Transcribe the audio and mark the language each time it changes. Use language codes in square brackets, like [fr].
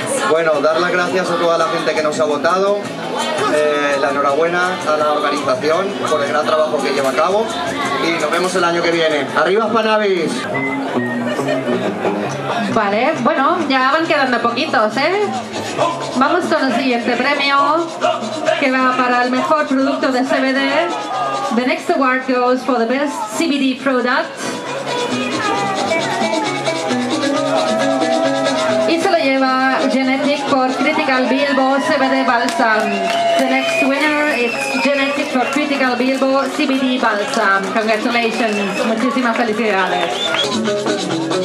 [es] Bueno, dar las gracias a toda la gente que nos ha votado. La enhorabuena a la organización por el gran trabajo que lleva a cabo. Y nos vemos el año que viene. ¡Arriba, Spanabis! Vale, bueno, ya van quedando poquitos, ¿eh? Vamos con el siguiente premio, que va para el mejor producto de CBD. [en] The next award goes for the best CBD product. [es] Y se lo lleva Genetic por Critical Bilbo CBD Balsam. [en] The next winner is Genetic for Critical Bilbo CBD Balsam. [es] Congratulations. Muchísimas felicidades.